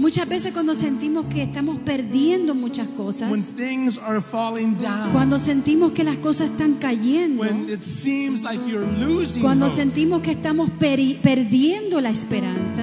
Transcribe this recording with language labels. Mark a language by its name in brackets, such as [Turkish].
[Spanish] Muchas veces cuando sentimos que estamos perdiendo muchas cosas. [English] When things are falling down. [Spanish] Cuando sentimos que las cosas están cayendo. [English] When it seems like you're losing. [Spanish] Cuando [English] hope, [Spanish] sentimos que estamos perdiendo la esperanza.